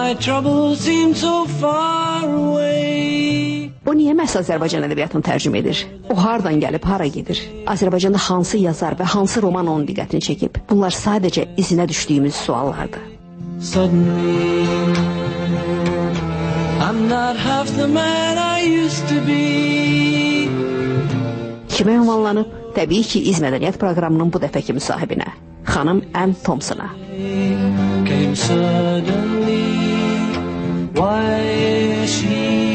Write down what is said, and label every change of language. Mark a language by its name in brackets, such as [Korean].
[English] my troubles seem so far away. [Azerbaijani] O niyə məhz Azərbaycan ədəbiyyatını tərcüm edir? O hardan gəlib, hara gedir? Azərbaycanda hansı yazar və hansı roman onun diqqətini çəkib? Bunlar sadəcə izinə düşdüyümüz suallardır. [English] Suddenly, I'm not half the man I used to be. [Azerbaijani] Kimə ünvanlanıb? Təbii ki, İz Mədəniyyət proqramının bu dəfəki müsahibinə, xanım Ann Thompson-a. [English] Came suddenly, why is she...